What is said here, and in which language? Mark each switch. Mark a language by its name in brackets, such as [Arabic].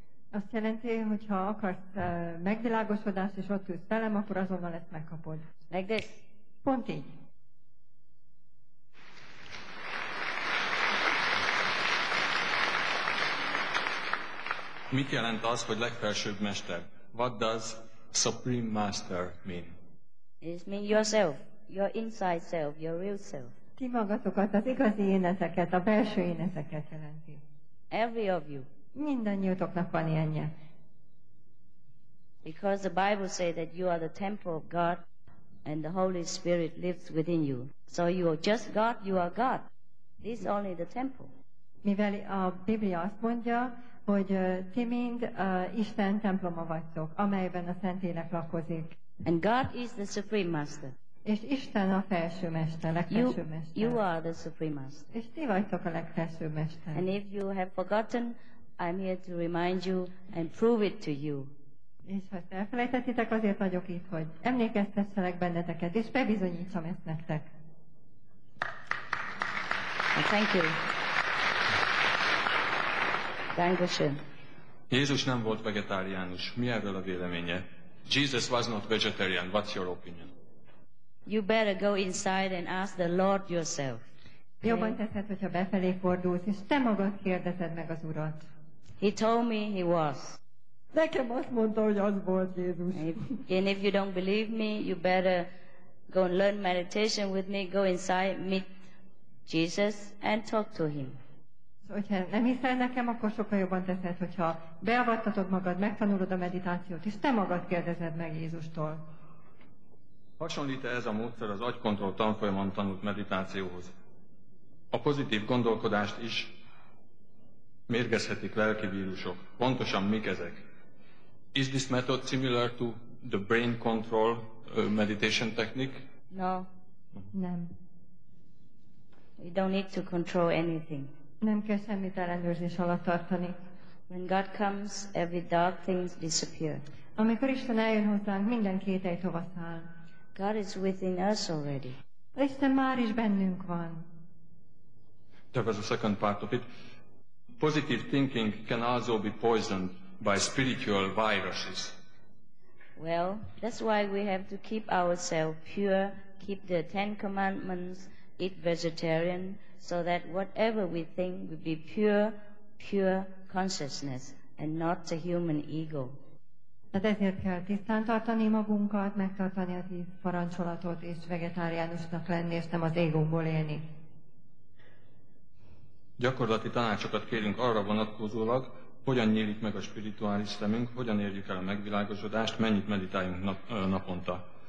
[Hungarian] Azt jelenti, hogy ha akarsz megvilágosodást és ott ülsz velem, akkor azonnal lesz megkapod. [English] Like this. [Hungarian] Pont így. Mit jelent az, hogy legfelsőbb mester? [English] What does supreme master mean? It means yourself, your inside self, your real self. [Hungarian] Ti magatokat, az igazi éneteket, a belső éneteket jelenti. [English] Every of you. [Hungarian] Mindannyiótoknak van ilyenje. [English] Because the Bible says that you are the temple of God and the Holy Spirit lives within you. So you are just God, you are God. This is only the temple. [Hungarian] Mivel a Biblia azt mondja, hogy ti mind Isten temploma vagytok, amelyben a Szentlélek lakozik. [English] And God is the supreme master. [Hungarian] És Isten a felső mester, legfelső mester. [English] You are the supreme master. [Hungarian] És ti vagytok a legfelső mester. [English] And if you have forgotten, I'm here to remind you and prove it to you. [Hungarian] És ha elfelejtettétek, azért vagyok itt, hogy emlékeztesselek benneteket, és bebizonyítsam ezt nektek. [English] Thank you. [German] Dankeschön. [Hungarian] Jézus nem volt vegetáriánus. Mi erről a véleménye? [English] Jesus was not vegetarian. What's your opinion? You better go inside and ask the Lord yourself. [Hungarian] Jobban teszed, hogyha befelé fordulsz, és te magad kérdezed meg az Urat. [English] He told me he was. [Hungarian] Nekem azt mondta, hogy az volt Jézus. [English] And if you don't believe me, you better go and learn meditation with me, go inside, meet Jesus and talk to him. [Hungarian] Hogyha nem hiszel nekem, akkor sokkal jobban teszed, hogyha beavattatod magad, megtanulod a meditációt, és te magad kérdezed meg Jézustól. Hasonlít-e ez a módszer az agykontroll tanfolyamon tanult meditációhoz? A pozitív gondolkodást is mérgezhetik lelki vírusok. Pontosan mik ezek? [English] Is this method similar to the brain control meditation technique? No. [Hungarian] Nem. [English] You don't need to control anything. [Hungarian] Nem kell semmit ellenőrzés alatt tartani. [English] When God comes, every dark thing disappears. [Hungarian] Amikor Isten eljön hozzánk, minden kétely hova száll. [English] God is within us already. [Hungarian] Isten már is bennünk van. [English] There was a second part of it. Positive thinking can also be poisoned by spiritual viruses. Well, that's why we have to keep ourselves pure, keep the Ten Commandments, eat vegetarian, so that whatever we think will be pure, pure consciousness and not a human ego. [Hungarian] Hát ezért kell tisztán tartani magunkat, megtartani a 10 parancsolatot és vegetáriánusnak lenni, és nem az égóból élni. Gyakorlati tanácsokat kérünk arra vonatkozólag, hogyan nyílik meg a spirituális szemünk, hogyan érjük el a megvilágosodást, mennyit meditáljunk naponta.